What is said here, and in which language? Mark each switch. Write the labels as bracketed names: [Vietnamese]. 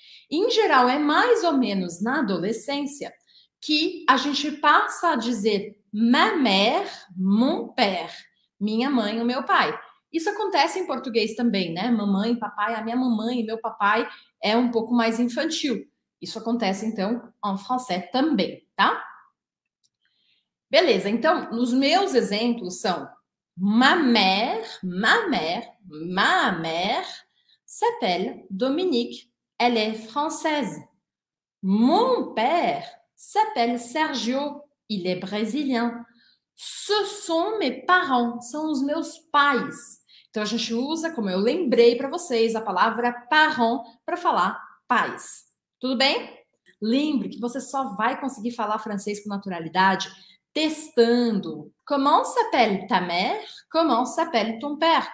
[Portuguese] Em geral, é mais ou menos na adolescência que a gente passa a dizer [French] ma mère, mon père, [Portuguese] minha mãe, o meu pai. Isso acontece em português também, né? Mamãe, papai, a minha mamãe e meu papai é um pouco mais infantil. Isso acontece, então, em francês também, tá? Beleza, então, os meus exemplos são [French] ma mère, ma mère, ma mère s'appelle Dominique, elle est française. Mon père s'appelle Sergio, il est brésilien. Ce sont mes parents, [Portuguese] são os meus pais. Então, a gente usa, como eu lembrei para vocês, a palavra parent para falar pais. Tudo bem? Lembre que você só vai conseguir falar francês com naturalidade testando. [French] Comment s'appelle ta mère? Comment s'appelle ton père?